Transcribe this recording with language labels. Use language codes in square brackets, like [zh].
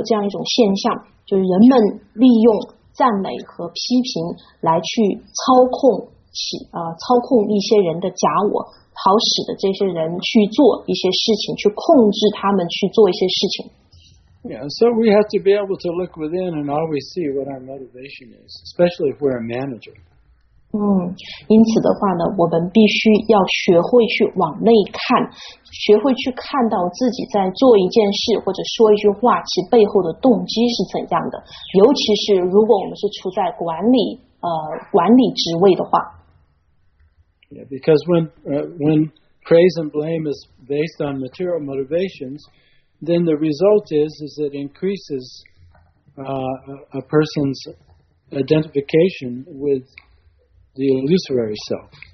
[zh] 然而的话呢，即便是在灵性团体当中，都会出现这，都会就是会有这样一种现象，就是人们利用。赞美和批评来去操控一些人的假我，好使得这些人去做一些事情，去控制他们去做一些事情。Yeah, [en] so we have to be able to look within and always see what our motivation is, especially if we're a manager. [zh] 因此的话呢，我们必须要学会去往内看，学会去看到自己在做一件事或者说一句话其背后的动机是怎样的，尤其是如果我们是处在管理职位的话。Yeah, [en] because when praise and blame is based on material motivations, then the result is it increases a person's identification with the illusory self.